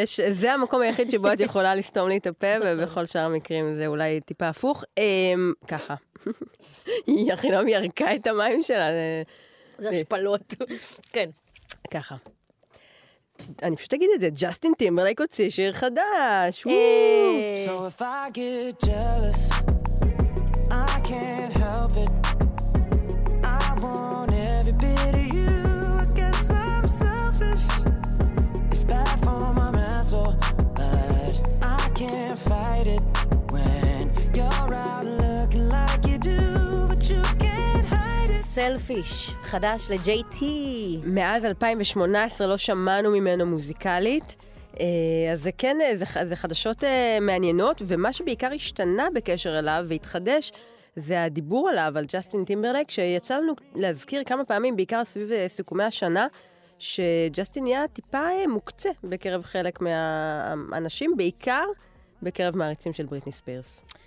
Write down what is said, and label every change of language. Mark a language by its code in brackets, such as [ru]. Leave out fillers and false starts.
[he] זה המקום היחיד שבו את יכולה לסתום לי את הפה, ובכל שאר המקרים זה אולי טיפה הפוך. ככה. היא הכי לא מירקה את המים שלה. זה השפלות. כן. ככה. אני פשוט אגיד את זה, ג'סטין טימברלייק הוציא שיר חדש. [en] So if I get jealous, I can't help it. I want every bit of you, I guess I'm selfish. It's bad for my mental, but I can't fight it. When you're out looking like you do, but you can't hide it. [he] Selfish. חדש לג'י-טי. מאז 2018 לא שמענו ממנו מוזיקלית, אז זה כן, זה חדשות מעניינות, ומה שבעיקר השתנה בקשר אליו והתחדש, זה הדיבור עליו, על ג'סטין טימברלייק, שיצא לנו להזכיר כמה פעמים, בעיקר סביב סיכומי השנה, שג'סטין היה טיפה מוקצה בקרב חלק מהאנשים, בעיקר בקרב מעריצים של בריטני ספירס.